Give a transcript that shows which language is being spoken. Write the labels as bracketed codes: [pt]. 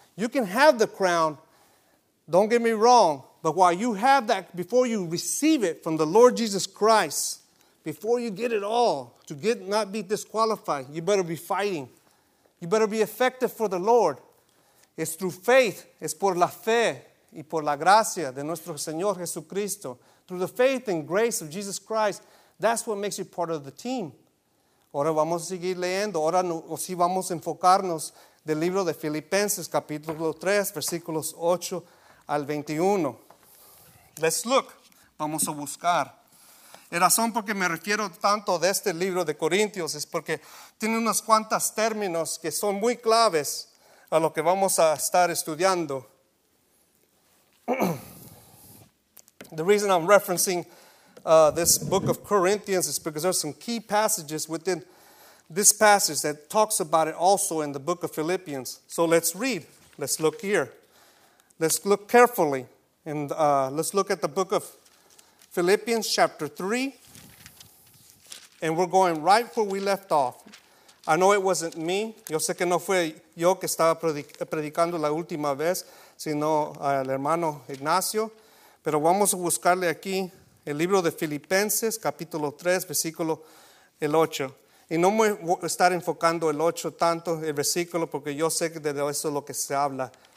[en] You can have the crown, don't get me wrong, but while you have that, before you receive it from the Lord Jesus Christ, before you get it all, to get not be disqualified, you better be fighting. You better be effective for the Lord. It's through faith. It's [es] por la fe y por la gracia de nuestro Señor Jesucristo. [en] Through the faith and grace of Jesus Christ, that's what makes you part of the team. [es] Ahora vamos a seguir leyendo. Ahora no, sí vamos a enfocarnos del libro de Filipenses, capítulo 3, versículos 8 al 21. [en] Let's look. [es] Vamos a buscar. La razón por que me refiero tanto de este libro de Corintios es porque tiene unas cuantas términos que son muy claves a lo que vamos a estar estudiando. [en] The reason I'm referencing this book of Corinthians is because there's some key passages within this passage that talks about it also in the book of Philippians. So let's read. Let's look here. Let's look carefully. And let's look at the book of Philippians chapter 3. And we're going right where we left off. I know it wasn't me. [es] Yo sé que no fue yo que estaba predicando la última vez, sino el hermano Ignacio. Pero vamos a buscarle aquí el libro de Filipenses, capítulo 3, versículo el 8. Y no me voy a estar enfocando el 8 tanto, el versículo, porque yo sé que de eso es lo que se habla.